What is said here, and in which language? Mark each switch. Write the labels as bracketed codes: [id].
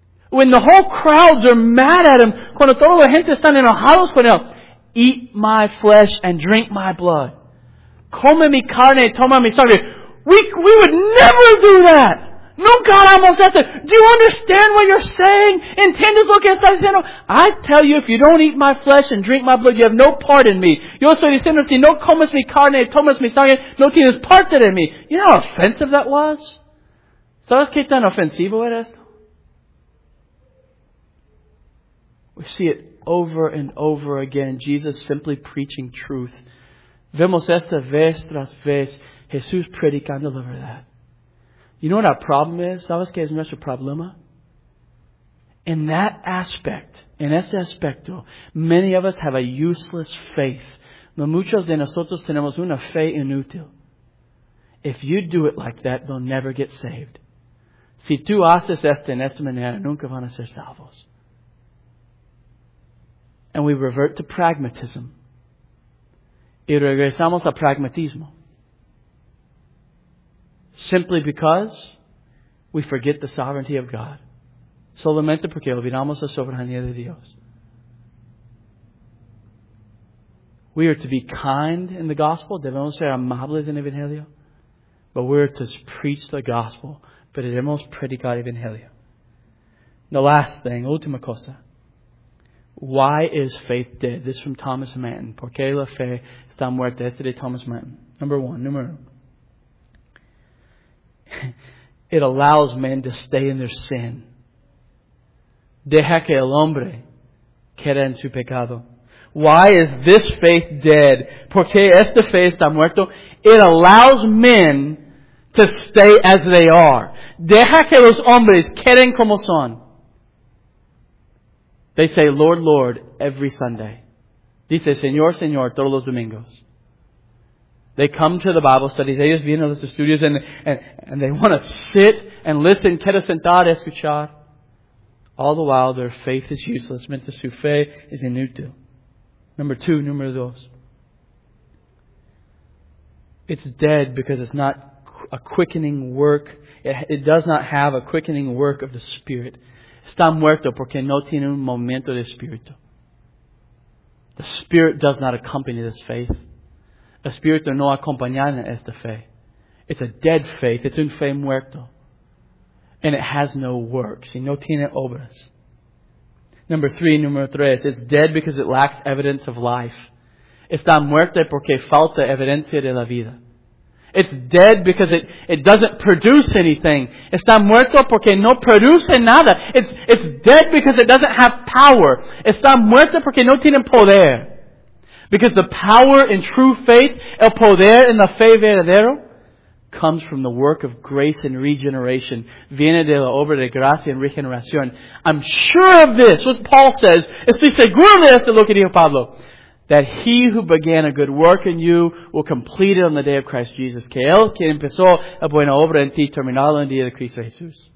[en] When the whole crowds are mad at him, [es] cuando toda la gente está enojada con él, [en] eat my flesh and drink my blood. [es] Come mi carne, toma mi sangre. [en] We would never do that. [es] Nunca haremos eso. [en] Do you understand what you're saying? [es] ¿Entiendes lo que estás diciendo? [en] I tell you, if you don't eat my flesh and drink my blood, you have no part in me. [es] Yo estoy diciendo, si no comes mi carne, tomas mi sangre, no tienes parte de mí. [en] You know how offensive that was? [es] ¿Sabes qué tan ofensivo era esto? [en] We see it over and over again. Jesus simply preaching truth. [es] Vemos esta vez tras vez. Jesús predicando la verdad. [en] You know what our problem is? [es] ¿Sabes qué es nuestro problema? [en] In that aspect, [es] en ese aspecto, [en] many of us have a useless faith. [es] Muchos de nosotros tenemos una fe inútil. [en] If you do it like that, they'll never get saved. [es] Si tú haces esto en esta manera, nunca van a ser salvos. [en] And we revert to pragmatism. [es] Y regresamos a pragmatismo. [en] Simply because we forget the sovereignty of God. [es] Solamente porque olvidamos la soberanía de Dios. [en] We are to be kind in the gospel. [es] Debemos ser amables en el evangelio. [en] But we are to preach the gospel. [es] Pero debemos predicar el evangelio. [en] The last thing, [es] última cosa. [en] Why is faith dead? This is from Thomas Manton. [es] ¿Por qué la fe está muerta? Este de Thomas Manton. Número uno. [en] It allows men to stay in their sin. [es] Deja que el hombre quede en su pecado. [en] Why is this faith dead? [es] ¿Por qué esta fe está muerta? [en] It allows men to stay as they are. [es] Deja que los hombres queden como son. [en] They say, Lord, Lord, every Sunday. [es] Dice, Señor, Señor, todos los domingos. [en] They come to the Bible studies. [es] Ellos vienen a los estudios [en] and they want to sit and listen. [es] Quiere sentar, escuchar. [en] All the while, their faith is useless. Mientras su fe is inútil. Número dos. It's dead because it's not a quickening work. It does not have a quickening work of the Spirit. Está muerto porque no tiene un momento de espíritu. The Spirit does not accompany this faith. [es] El espíritu no acompaña esta fe. [en] It's a dead faith. It's [es] un fe muerto. [en] And it has no works. [es] Y no tiene obras. Número tres. [en] It's dead because it lacks evidence of life. [es] Está muerto porque falta evidencia de la vida. [en] It's dead because it doesn't produce anything. [es] Está muerto porque no produce nada. [en] It's dead because it doesn't have power. [es] Está muerto porque no tiene poder. [en] Because the power in true faith, [es] el poder en la fe verdadero, [en] comes from the work of grace and regeneration. Viene de la obra de gracia y regeneración. I'm sure of this, what Paul says. [es] Estoy seguro de esto, lo que dijo Pablo. [en] That he who began a good work in you will complete it on the day of Christ Jesus. [es] Que él que empezó la buena obra en ti terminará en el día de Cristo Jesús.